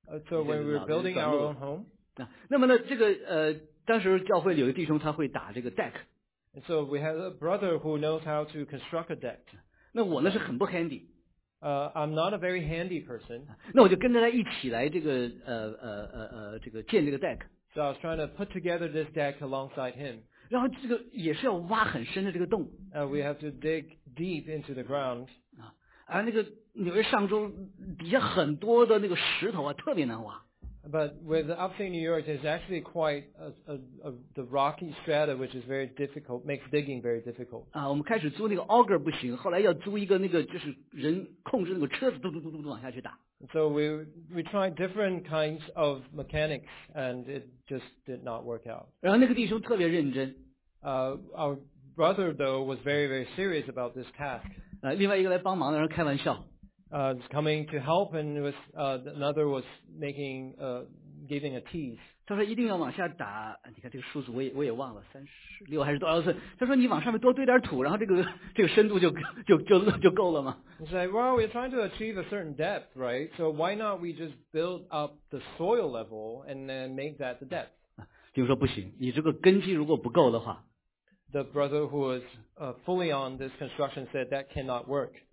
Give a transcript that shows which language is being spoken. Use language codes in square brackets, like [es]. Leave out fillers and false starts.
[en] So when we were building our own home. [zh] 那么呢，这个当时教会有个弟兄他会打这个 deck. [en] And so we had a brother who knows how to construct a deck. [zh] 那我呢是很不 handy. [en] I'm not a very handy person. [zh] 那我就跟着他一起来这个这个建这个 deck. [en] So I was trying to put together this deck alongside him. [zh] 然后这个也是要挖很深的这个洞。 [en] We have to dig deep into the ground. [zh] 啊，那个纽约上周底下很多的那个石头啊，特别难挖。 [en] But with the upstate New York, it's actually quite the rocky strata, which is very difficult, makes digging very difficult. [zh] 啊，我们开始租那个 auger 不行，后来要租一个那个就是人控制那个车子，嘟嘟嘟嘟嘟往下去打。 [en] So we tried different kinds of mechanics, and it just did not work out. [zh] 然后那个弟兄特别认真。 [en] Our brother though was very very serious about this task. [zh] 另外一个来帮忙的人开玩笑。 [en] Was coming to help, and was another was making giving a tease. [zh] 他说一定要往下打，你看这个数字我也忘了，36还是多少寸？他说你往上面多堆点土，然后这个深度就够了嘛。 [en] He said, "Well, we're trying to achieve a certain depth, right? So why not we just build up the soil level and then make that the depth?" [zh] 比如说不行，你这个根基如果不够的话。 [en] The brother who was fully on this construction said that cannot work.